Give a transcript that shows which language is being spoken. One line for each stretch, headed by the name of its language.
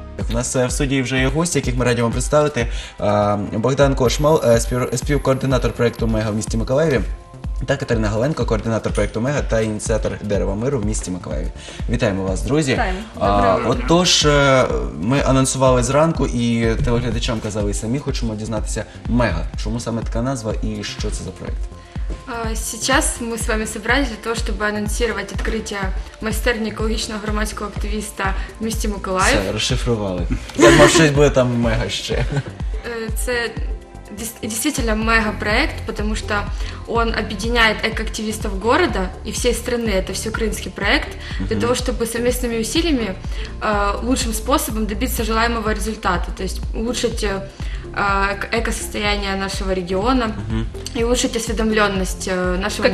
Ukrainian: нас в студії вже є гості, яких ми раді вам представити. Богдан Кошмал, співкоординатор проєкту «Мега» в місті Миколаєві. Та Катерина Галенко, координатор проєкту «Мега» та ініціатор «Дерева миру» в місті Миколаєві. Вітаємо вас, друзі. Вітаємо. Отож, ми анонсували зранку і телеглядачам казали самі, хочемо дізнатися «Мега». Чому саме така назва і що це за проєкт?
Russian: Сейчас мы с вами собрались для того, чтобы анонсировать открытие мастерни экологичного
Ukrainian: громадського активиста в місті Миколаїв.
Russian: Все, расшифровали.
Ukrainian: Я думаю, щось буде там мега ще.
Russian: Це действительно мега-проект, потому что он объединяет экоактивистов города и всей страны, это всеукраинский проект, для того, чтобы совместными усилиями лучшим способом добиться желаемого результата, то есть улучшить экосостояние нашего региона и улучшить осведомленность нашего